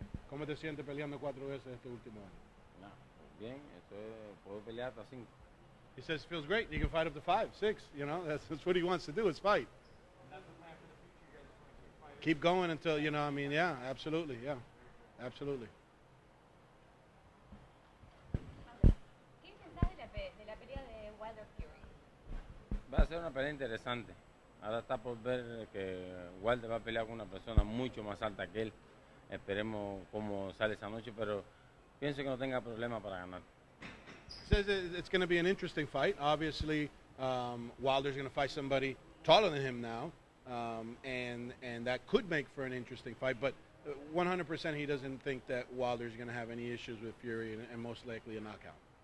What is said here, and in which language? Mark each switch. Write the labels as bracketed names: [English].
[Spanish] ¿Cómo te sientes peleando cuatro veces este último año? Bien, puedo pelear hasta cinco. [English] He says it feels great. You can fight up to 5, 6. You know, that's what he wants to do. It's fight. Keep going until, you know, I mean, yeah, absolutely, yeah, absolutely. [Spanish] ¿Qué pensás de la pelea de Wilder Fury? Va a ser una pelea interesante. Ahora está por ver que Wilder va a pelear con una persona mucho más alta que él. Esperemos cómo sale esa noche, pero pienso que no tenga problema para ganar. [English] Says it's going to be an interesting fight. Obviously, Wilder's going to fight somebody taller than him now. And that could make for an interesting fight, but 100% he doesn't think that Wilder is going to have any issues with Fury and most likely a knockout.